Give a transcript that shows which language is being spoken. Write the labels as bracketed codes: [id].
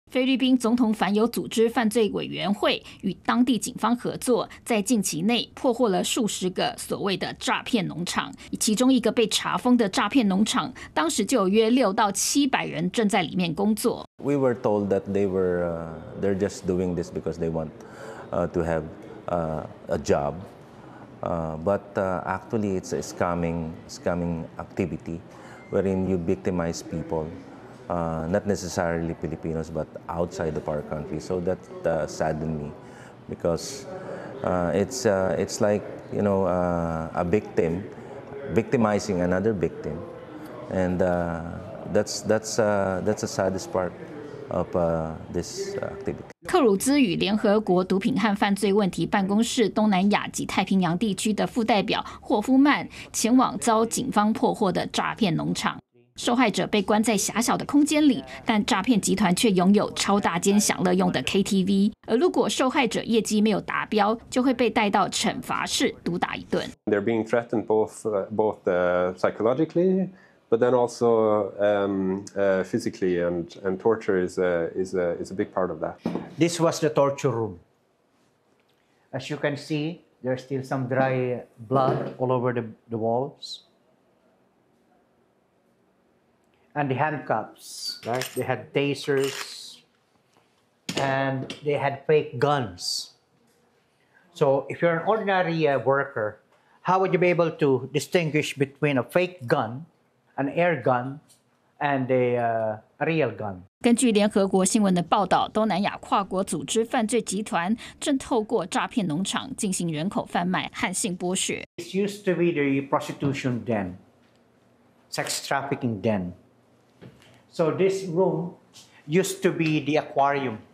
[zh] 菲律宾总统反有组织犯罪委员会与当地警方合作，在近期内破获了数十个所谓的诈骗农场。其中一个被查封的诈骗农场，当时就有约600到700人正在里面工作。 [en] We were told that they're just doing this because they want to have a job. But actually, it's a scamming activity wherein you victimize people, not necessarily Filipinos, but outside of our country. So that saddened me because it's like, you know, a victim victimizing another victim. And that's the saddest part of this activity. [zh] 克鲁兹与联合国毒品和犯罪问题办公室东南亚及太平洋地区的副代表霍夫曼前往遭警方破获的诈骗农场，受害者被关在狭小的空间里，但诈骗集团却拥有超大间享乐用的 KTV。而如果受害者业绩没有达标，就会被带到惩罚室毒打一顿。 [en] They're being threatened both psychologicallyBut then also physically and torture is a big part of that. This was the torture room. As you can see, there's still some dry blood all over the walls. And the handcuffs, right? They had tasers and they had fake guns. So if you're an ordinary worker, how would you be able to distinguish between a fake gunAn air gun and a real gun. [zh] 根据联合国新闻的报道，东南亚跨国组织犯罪集团正透过诈骗农场进行人口贩卖和性剥削。 [en] It used to be the prostitution den, sex trafficking den. So this room used to be the aquarium.